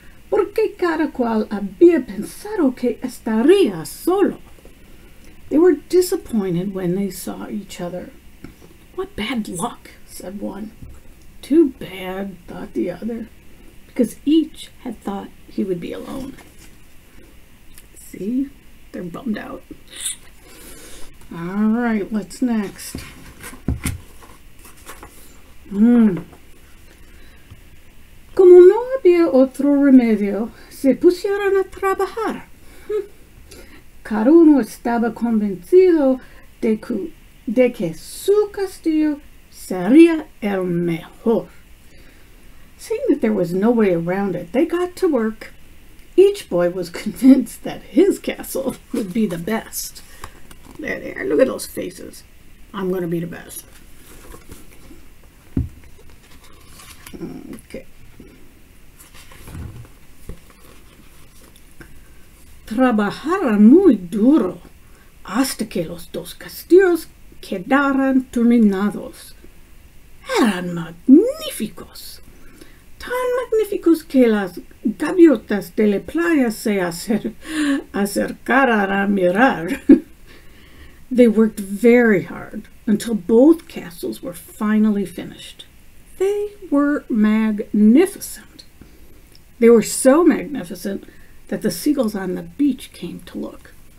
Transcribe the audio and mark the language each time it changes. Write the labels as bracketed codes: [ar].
[es] Porque cada cual había pensado que estaría solo. [en] They were disappointed when they saw each other. What bad luck, said one. Too bad, thought the other, because each had thought he would be alone. See? They're bummed out. All right, what's next? [es] Como no había otro remedio, se pusieron a trabajar. Cada uno estaba convencido de que su castillo sería el mejor. [en] Seeing that there was no way around it, they got to work. Each boy was convinced that his castle would be the best. There they are. Look at those faces. I'm going to be the best. Okay. [es] Trabajaron muy duro hasta que los dos castillos quedaron terminados. Eran magníficos, tan magníficos que las gaviotas de la playa se acercaron a mirar. [en] They worked very hard until both castles were finally finished. They were magnificent. They were so magnificent that the seagulls on the beach came to look.